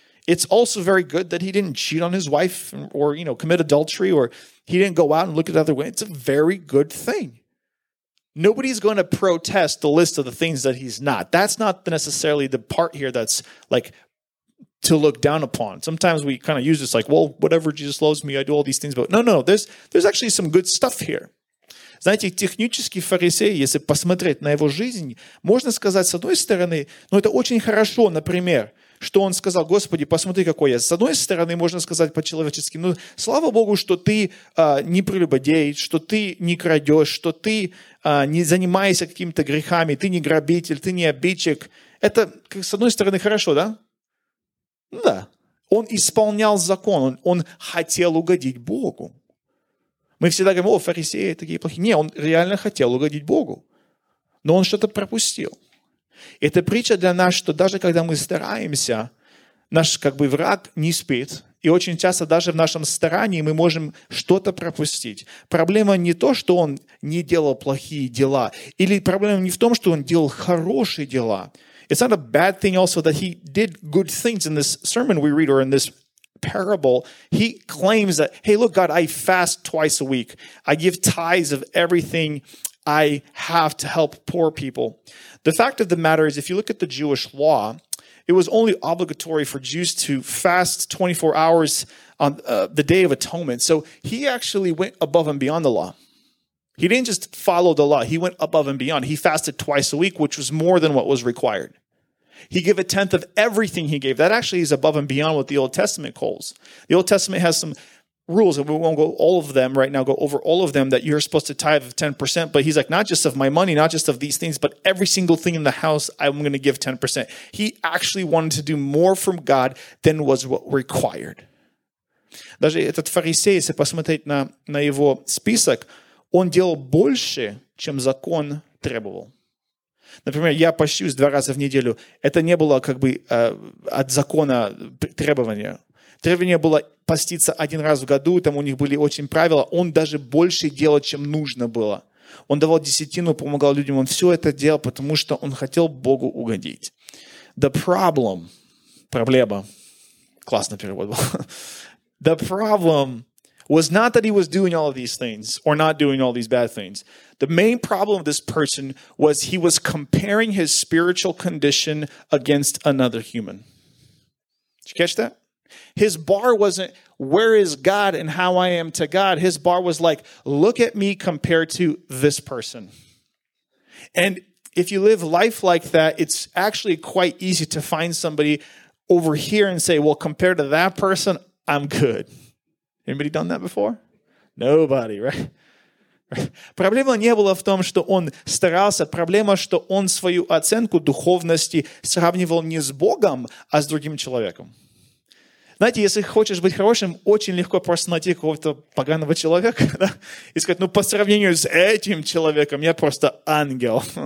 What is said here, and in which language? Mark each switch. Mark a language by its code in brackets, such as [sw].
[en] It's also very good that he didn't cheat on his wife or, you know, commit adultery, or he didn't go out and look at other women. It's a very good thing. Nobody's going to protest the list of the things that he's not. That's not necessarily the part here that's like to look down upon. Sometimes we kind of use this like, well, whatever, Jesus loves me, I do all these things. But no, there's actually some good stuff here. [ru] Знаете, технический фарисей, если посмотреть на его жизнь, можно сказать, с одной стороны, ну это очень хорошо, например, что он сказал, Господи, посмотри, какой я. С одной стороны, можно сказать по-человечески, ну слава Богу, что ты не прелюбодеешь, что ты не крадешь, что ты не занимаешься какими-то грехами, ты не грабитель, ты не обидчик. Это, как, с одной стороны, хорошо, да? Ну, да. Он исполнял закон, он хотел угодить Богу. Мы всегда говорим, о, фарисеи такие плохие. Не, он реально хотел угодить Богу. Но он что-то пропустил. Это притча для нас, что даже когда мы стараемся, наш как бы враг не спит. И очень часто даже в нашем старании мы можем что-то пропустить. Проблема не то, что он не делал плохие дела. Или проблема не в том, что он делал хорошие дела. [en] It's not a bad thing also that he did good things in this sermon we read or in this parable. He claims that, hey, look, God, I fast twice a week. I give tithes of everything I have to help poor people. The fact of the matter is, if you look at the Jewish law, it was only obligatory for Jews to fast 24 hours on the Day of Atonement. So he actually went above and beyond the law. He didn't just follow the law. He went above and beyond. He fasted twice a week, which was more than what was required. He gave a tenth of everything he gave. That actually is above and beyond what the Old Testament calls. The Old Testament has some rules, and we won't go all of them right now, go over all of them, that you're supposed to tithe of 10%. But he's like, not just of my money, not just of these things, but every single thing in the house, I'm going to give 10%. He actually wanted to do more from God than was what required. [ru] Даже этот фарисей, если посмотреть на его список, он делал больше, чем закон требовал. Например, я пощусь два раза в неделю. Это не было как бы от закона требования. Требование было поститься один раз в году, там у них были очень правила. Он даже больше делал, чем нужно было. Он давал десятину, помогал людям. Он все это делал, потому что он хотел Богу угодить. [en] The problem. [ru] Проблема. Классный перевод был. [en] The problem was not that he was doing all of these things or not doing all these bad things. The main problem of this person was he was comparing his spiritual condition against another human. Did you catch that? His bar wasn't, where is God and how I am to God? His bar was like, look at me compared to this person. And if you live life like that, it's actually quite easy to find somebody over here and say, well, compared to that person, I'm good. Anybody done that before? Nobody, right? [ru] Проблема не была в том, что он старался. Проблема, что он свою оценку духовности сравнивал не с Богом, а с другим человеком. Знаете, если хочешь быть хорошим, очень легко просто найти какого-то поганого человека, да? И сказать, ну, по сравнению с этим человеком, я просто ангел.